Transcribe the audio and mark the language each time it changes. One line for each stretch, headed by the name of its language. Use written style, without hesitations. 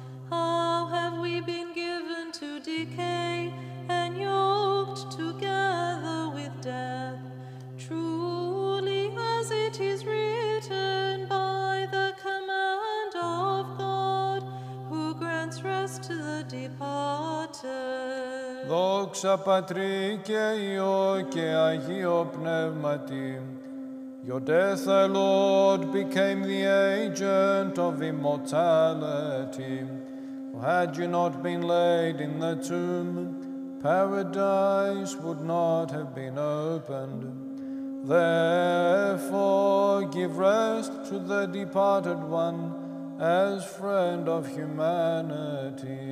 English: How have we been given to decay and yoked together with death? Truly, as it is written by the command of God, who grants rest to the departed.
Greek: Δόξα Πατρί και Υιό και Αγίω Πνεύματι,
English: Your death, O Lord, became the agent of immortality. For had you not been laid in the tomb, paradise would not have been opened. Therefore, give rest to the departed one as friend of humanity.